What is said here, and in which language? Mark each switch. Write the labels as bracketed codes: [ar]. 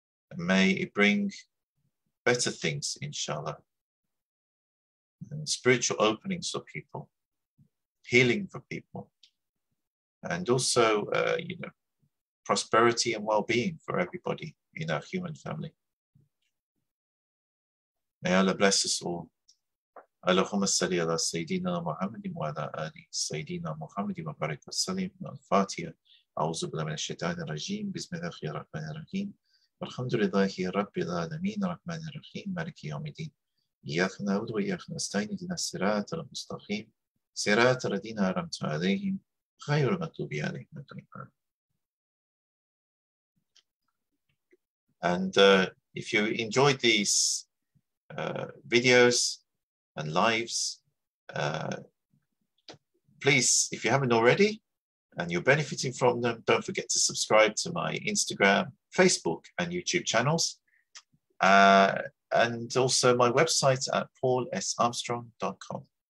[en] And may it bring better things, inshallah. And spiritual openings for people, healing for people, and also, prosperity and well-being for everybody in our human family. May Allah bless us all. [ar] اللهم صل على سيدنا محمد وعلى آل سيدنا محمد وبارك وسلم الفاتحة أعوذ بالله من الشيطان الرجيم بسم الله الرحمن الرحيم الحمد لله رب العالمين الرحمن الرحيم مالك يوم الدين إياك نعبد وإياك نستعين اهدنا الصراط المستقيم صراط الذين أنعمت عليهم غير المغضوب عليهم ولا الضالين. [en] And if you enjoyed these videos and lives, please, if you haven't already and you're benefiting from them, don't forget to subscribe to my Instagram, Facebook and YouTube channels, and also my website at paulsarmstrong.com.